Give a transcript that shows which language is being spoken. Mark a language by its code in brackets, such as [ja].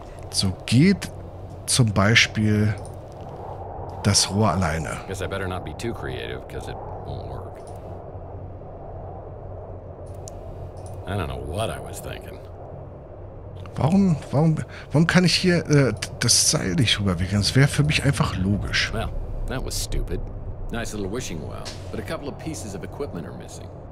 [de] So, geht zum Beispiel das Rohr alleine. [en] Ich guess I better not be too creative, because it won't work. I don't know what I was thinking. [de] Warum kann ich hier das Seil nicht rüberwickeln? Das wäre für mich einfach logisch. [en] Well, that was stupid. Nice little wishing well, but a couple of pieces of equipment are missing.